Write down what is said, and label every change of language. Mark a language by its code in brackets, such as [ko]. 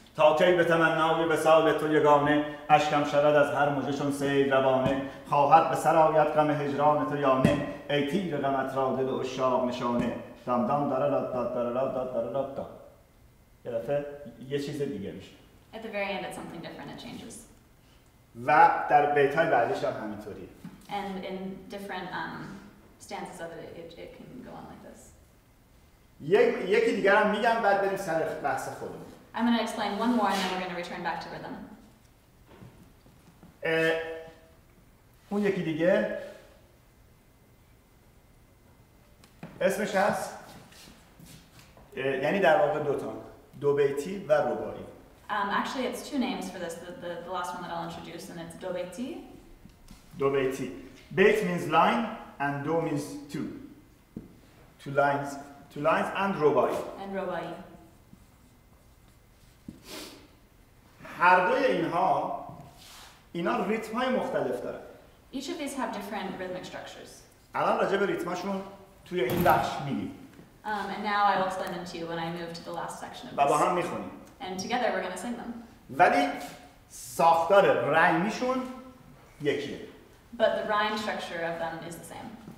[fa] تا کی به تمناوی به سال تو یگانه اشکم شرد از هر مژه‌شون سیل روانه خواهد به سر آید غم هجران تو یانه ای تیر غمت را دل عشاق نشانه دم دم درر داد درر داد درر داد یه دفعه یه چیز دیگه میشه. [en] At the very end it's something different, it changes. [fa] و در بیت‌های بعدیش هم همینطوریه. [en] And in different stances of it can go on like this. [fa] یکی دیگر هم میگم بعد بریم سر بحث خودمون. [en] I'm going to explain one more and then we're going to return back to rhythm. [fa] اون یکی دیگه اسمش هست یعنی در واقع دوتان دو بیتی و رباعی. [en] Actually it's two names for this, the last one that I'll introduce, and it's دو بیتی. بیت means line and دو means two lines and رباعی. And رباعی. [fa] هر دوی اینا ریتم‌های مختلف داره. [en] Each of these have different rhythmic structures. [fa] الان راجع به ریتم‌هاشون توی این بخش می‌گیم. [en] And now I will explain them to you when I move to the last section of this. [fa] با هم می‌خونیم. [en] And together we're going to sing them. [fa] ولی ساختار رایمیشون یکیه. [en] But the rhyme structure of them is the same.